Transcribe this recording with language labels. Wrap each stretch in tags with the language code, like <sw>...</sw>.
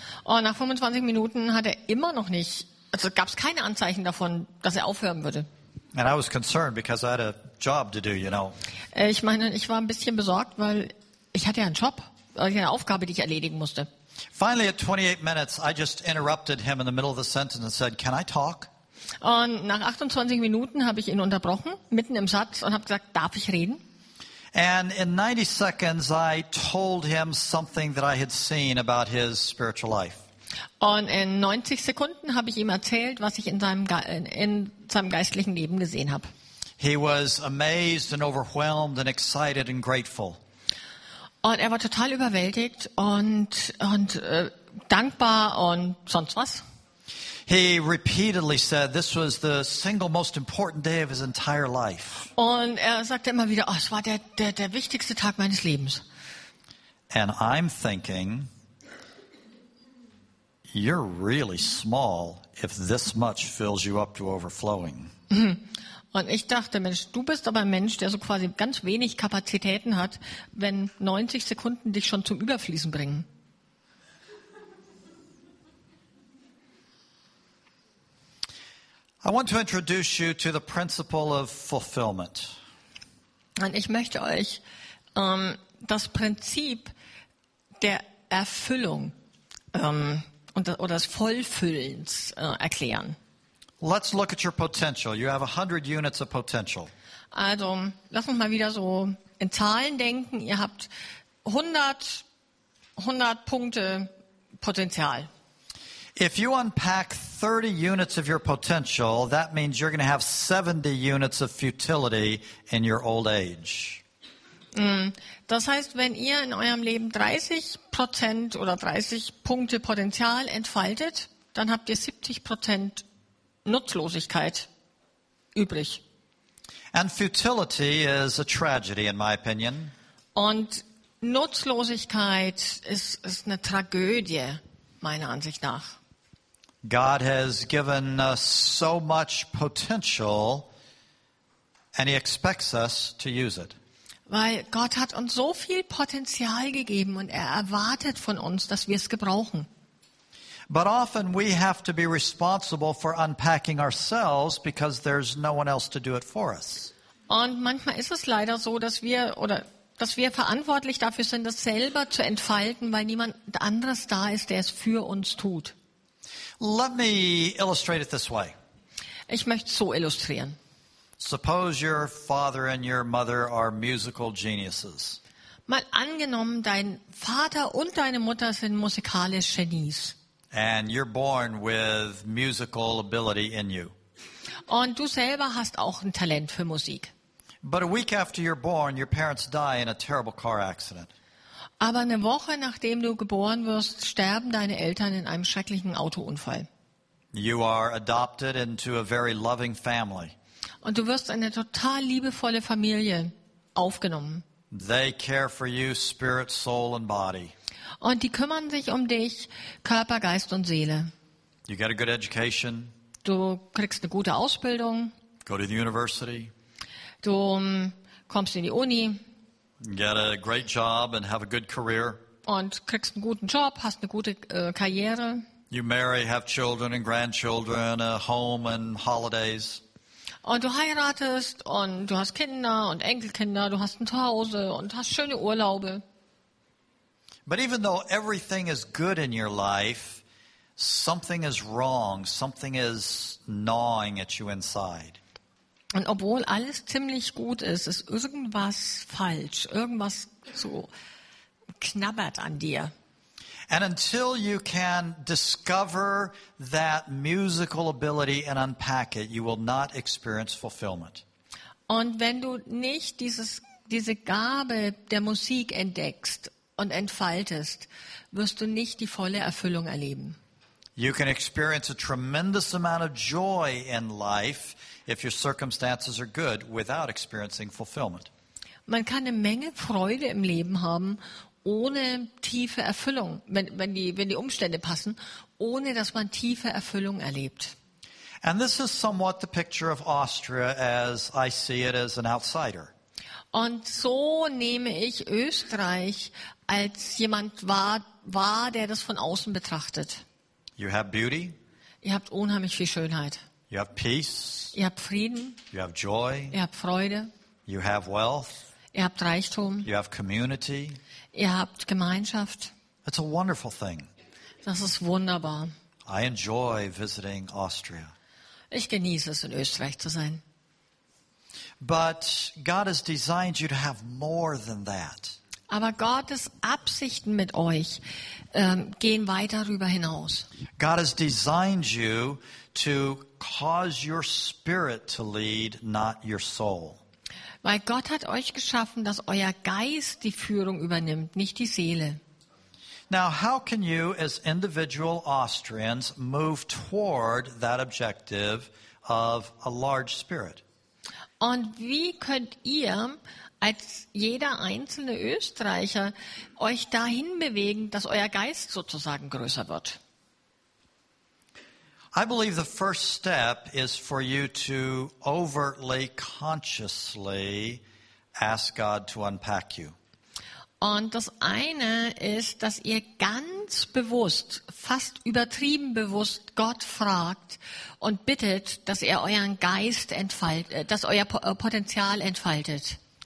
<de>Und nach 25 Minuten hat er immer noch nicht, also gab es keine Anzeichen davon, dass er aufhören würde.</de> <en>And I was concerned because I had a job to do, you know.</en> <de>Ich meine, ich war ein bisschen besorgt, weil ich hatte ja einen Job, eine Aufgabe, die ich erledigen musste.</de> <en>Finally at 28 minutes I just interrupted him in the middle of the sentence and said, "Can I talk?"</en> <de>Und nach 28 Minuten habe ich ihn unterbrochen, mitten im Satz und habe gesagt, "Darf ich reden?"</de> <en>And in 90 seconds I told him something that I had seen about his spiritual life.</en> <de>Und in 90 Sekunden habe ich ihm erzählt, was ich in seinem geistlichen Leben gesehen habe.</de> <en>He was amazed and overwhelmed and excited and grateful.</en> <de>Und er war total überwältigt und dankbar und sonst was.</de> <en>He repeatedly said this was the single most important day of his entire life.</en> <de>Und er sagte immer wieder, es war der wichtigste Tag meines Lebens.</de> <en>And I'm thinking, you're really small if this much fills you up to overflowing.</en> <de>Und ich dachte, Mensch, du bist aber ein Mensch, der so quasi ganz wenig Kapazitäten hat, wenn 90 Sekunden dich schon zum Überfließen bringen.</de> <en>I want to introduce you to the principle of fulfillment.</en> <de>Und ich möchte euch das Prinzip der Erfüllung oder des Vollfüllens erklären.</de> <en>Let's look at your potential. You have 100 units of potential.</en> <de>Also, lass uns mal wieder so in Zahlen denken. Ihr habt 100 Punkte Potenzial.</de> <en>If you unpack 30 units of your potential, that means you're going to have 70 units of futility in your old age.</en> <de>Das heißt, wenn ihr in eurem Leben 30% oder 30 Punkte Potenzial entfaltet, dann habt ihr 70% Nutzlosigkeit übrig.</de> <en>And futility is a tragedy, in my opinion.</en> <de>Und Nutzlosigkeit ist eine Tragödie, meiner Ansicht nach.</de> <en>God has given us so much potential and he expects us to use it.</en> <de>Weil Gott hat uns so viel Potenzial gegeben und er erwartet von uns, dass wir es gebrauchen.</de> <en>But often we have to be responsible for unpacking ourselves because there's no one else to do it for us.</en> <de>Und manchmal ist es leider so, dass wir verantwortlich dafür sind, das selber zu entfalten, weil niemand anderes da ist, der es für uns tut.</de> <en>Let me illustrate it this way.</en> <de>Ich möchte so illustrieren.</de> <en>Suppose your father and your mother are musical geniuses.</en> <de>Mal angenommen, dein Vater und deine Mutter sind musikalische Genies.</de> <en>And you're born with musical ability in you.</en> <de>Und du selber hast auch ein Talent für Musik.</de> <en>But a week after you're born, your parents die in a terrible car accident.</en> <de>Aber eine Woche nachdem du geboren wirst, sterben deine Eltern in einem schrecklichen Autounfall.</de> <en>You are adopted into a very loving family.</en> <de>Und du wirst in eine total liebevolle Familie aufgenommen.</de> <en>They care for you, spirit, soul and body.</en> <de>Und die kümmern sich um dich, Körper, Geist und Seele.</de> <en>You get a good education.</en> <de>Du kriegst eine gute Ausbildung.</de> <en>Go to the university.</en> <de>Du kommst in die Uni.</de> <en>Get a great job and have a good career.</en> <de>Und kriegst einen guten Job, hast eine gute Karriere.</de> <en>You marry, have children and grandchildren, a home and holidays.</en> <de>Und du heiratest und du hast Kinder und Enkelkinder, du hast ein Zuhause und hast schöne Urlaube.</de> <en>But even though everything is good in your life, something is wrong, something is gnawing at you inside.</en> <de>Und obwohl alles ziemlich gut ist, ist irgendwas falsch, irgendwas so knabbert an dir.</de> <en>And until you can discover that musical ability and unpack it, you will not experience fulfillment.</en> <de>Und wenn du nicht diese Gabe der Musik entdeckst und entfaltest, wirst du nicht die volle Erfüllung erleben.</de> <en>You can experience a tremendous amount of joy in life if your circumstances are good without experiencing fulfillment.</en> <de>Man kann eine Menge Freude im Leben haben, ohne tiefe Erfüllung, wenn die Umstände passen, ohne dass man tiefe Erfüllung erlebt.</de> <en>And this is somewhat the picture of Austria as I see it as an outsider.</en> <de>Und so nehme ich Österreich als jemand wahr, der das von außen betrachtet.</de> <en>You have beauty.</en> <de>Ihr habt unheimlich viel Schönheit.</de> <en>You have peace.</en> <de>Ihr habt Frieden.</de> <en>You have joy.</en> <de>Ihr habt Freude.</de> <en>You have wealth.</en> <de>Ihr habt Reichtum.</de> <en>You have community.</en> <de>Ihr habt Gemeinschaft.</de> <en>It's a wonderful thing.</en> <de>Das ist wunderbar.</de> <en>I enjoy visiting Austria.</en> <de>Ich genieße es, in Österreich zu sein.</de> <en>But God has designed you to have more than that.</en> <de>Aber Gottes Absichten mit euch gehen weit darüber hinaus.</de> <en>God has designed you to cause your spirit to lead, not your soul.</en> <de>Weil Gott hat euch geschaffen, dass euer Geist die Führung übernimmt, nicht die Seele.</de> <en>Now, how can you, as individual Austrians, move toward that objective of a large spirit?</en> <de>Und wie könnt ihr als jeder einzelne Österreicher euch dahin bewegen, dass euer Geist sozusagen größer wird?</de> <en>I believe the first step is for you to overtly, consciously ask God to unpack you.</en> <de>Und das eine ist, dass ihr ganz bewusst, fast übertrieben bewusst Gott fragt und bittet, dass er euren Geist entfaltet, dass euer Potenzial entfaltet.</de>